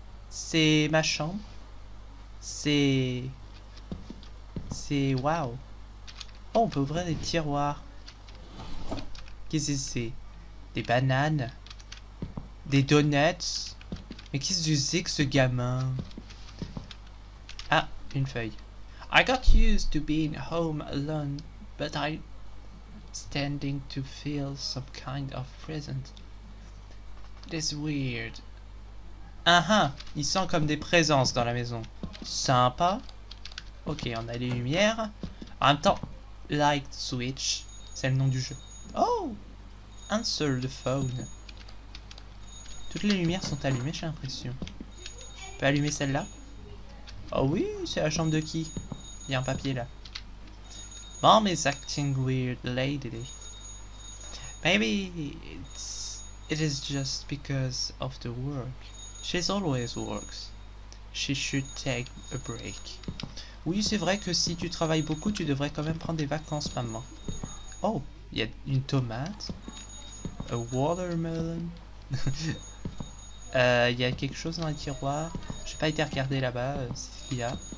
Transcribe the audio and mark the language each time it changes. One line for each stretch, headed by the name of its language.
French: C'est ma chambre. C'est waouh. Oh, on peut ouvrir des tiroirs. Qu'est-ce que c'est? Des bananes. Des donuts. Mais qu'est-ce que c'est que ce gamin? Ah, une feuille.
English: I got used to being home alone, but I'm standing to feel some kind of presence. This weird.
French: Il sent comme des présences dans la maison. Sympa. Ok, on a les lumières. En même temps, Light Switch, c'est le nom du jeu. Oh!
English: Answer the phone.
French: Toutes les lumières sont allumées, j'ai l'impression. Je peux allumer celle-là? Oh oui, c'est la chambre de qui? Il y a un papier là.
English: Mom is acting weird lately. Maybe it is just because of the work. She's always works. She should take a break.
French: Oui, c'est vrai que si tu travailles beaucoup, tu devrais quand même prendre des vacances, maman. Oh, il y a une tomate.
English: A watermelon.
French: Il y a quelque chose dans les tiroirs. J'ai pas été regarder là-bas ce qu'il y a.